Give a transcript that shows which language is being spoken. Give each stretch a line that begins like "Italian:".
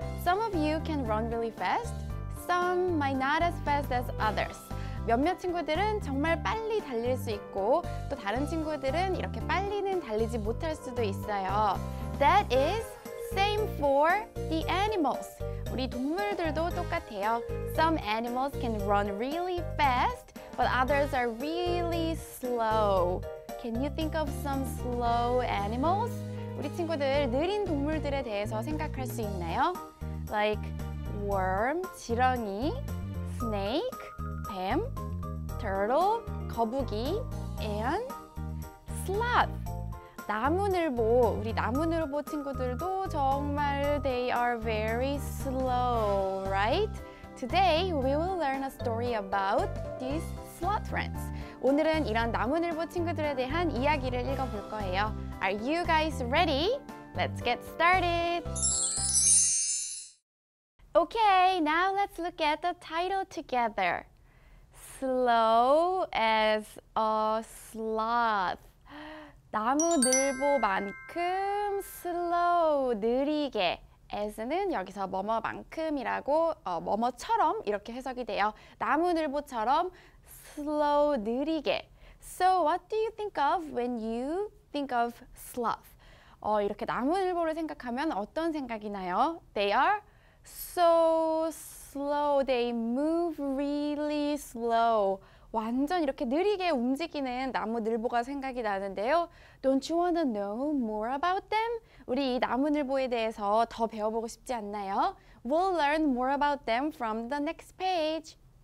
English: Some of you can run really fast. Some might not as fast as others.
Korean: 몇몇 친구들은 정말 빨리 달릴 수 있고 또 다른 친구들은 이렇게 빨리는 달리지 못할 수도 있어요.
English: That is same for the animals.
Korean: 우리 동물들도 똑같아요.
English: Some animals can run really fast, but others are really slow. Can you think of some slow animals?
Korean: 우리 친구들 느린 동물들에 대해서 생각할 수 있나요?
English: Like worm, 지렁이, snake, 뱀, turtle, 거북이, and sloth, 나무늘보.
Korean: 우리 나무늘보 친구들도 정말
English: they are very slow, right? Today we will learn a story about these sloth friends.
Korean: 오늘은 이런 나무늘보 친구들에 대한 이야기를 읽어볼 거예요.
English: Are you guys ready? Let's get started! Okay, now let's look at the title together. Slow as a sloth.
Korean: 나무늘보만큼 slow, 느리게. as는 여기서 뭐뭐만큼이라고 뭐뭐처럼 이렇게 해석이 돼요. 나무늘보처럼 slow, 느리게.
English: So what do you think of when you think of sloth?
Korean: 이렇게 나무늘보를 생각하면 어떤 생각이 나요?
English: They are so slow, they move really slow.
Korean: 완전 이렇게 느리게 움직이는 나무늘보가 생각이 나는데요.
English: Don't you wanna know more about them?
Korean: 우리 이 나무늘보에 대해서 더 배워보고 싶지 않나요?
English: We'll learn more about them from the next page.